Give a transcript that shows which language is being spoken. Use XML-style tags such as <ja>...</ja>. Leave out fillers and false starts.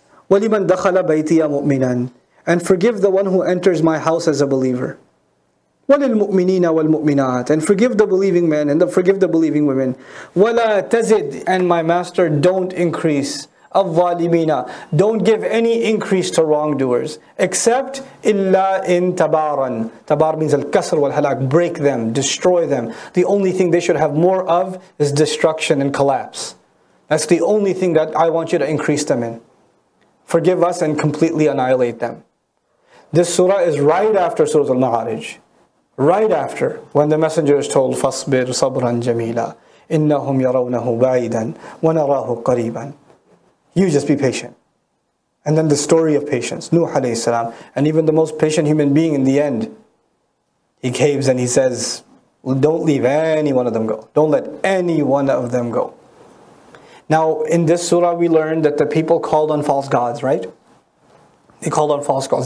<ar>وَلِمَنْ دَخَلَ بَيْتِيَ مُؤْمِنًا,</ar> <en>and forgive the one who enters my house as a believer.</en> <ar>وَلِلْمُؤْمِنِينَ وَالْمُؤْمِنَاتِ,</ar> <en>and forgive the believing men and forgive the believing women.</en> <ar>وَلَا تَزِدْ,</ar> <en>and my master, don't increase. الظَّالِمِينَ, don't give any increase to wrongdoers. Except</en> <ar>إِلَّا إِن تَبَارًا.</ar> <en>Tabar means</en> <ar>al-kasr wal-halak,</ar> <en>break them, destroy them. The only thing they should have more of is destruction and collapse. That's the only thing that I want you to increase them in. Forgive us and completely annihilate them. This surah is right after Surah Al-Ma'arij. Right after, when the messenger is told,</en> <ar>فَاصْبِرْ صَبْرًا جَمِيلًا إِنَّهُمْ يَرَوْنَهُ بَعِيدًا وَنَرَاهُ قَرِيبًا.</ar> <en>You just be patient. And then the story of patience, Nuh alayhi salam, and even the most patient human being in the end, he caves and he says, well, don't leave any one of them go. Don't let any one of them go. Now, in this surah, we learned that the people called on false gods, right? They called on false gods.</en>